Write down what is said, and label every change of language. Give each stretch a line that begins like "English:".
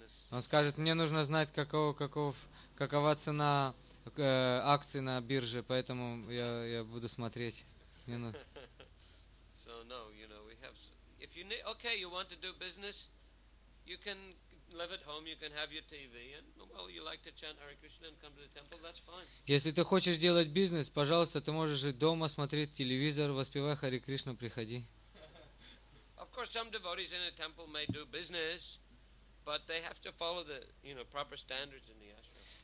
Russian: Он скажет, мне нужно знать, какова цена акций на бирже, поэтому я буду смотреть.
English: So no, you know, we have if you need, okay, you want to do business, you can live at home, you can have your TV, and well, you like to chant Hare Krishna and come to the temple, that's fine.
Russian: Если ты хочешь делать бизнес, пожалуйста, ты можешь жить дома, смотреть телевизор, воспевай Хари Кришну, приходи.
English: Of course, some devotees in a temple may do business, but they have to follow the, you know, proper standards in the ashram.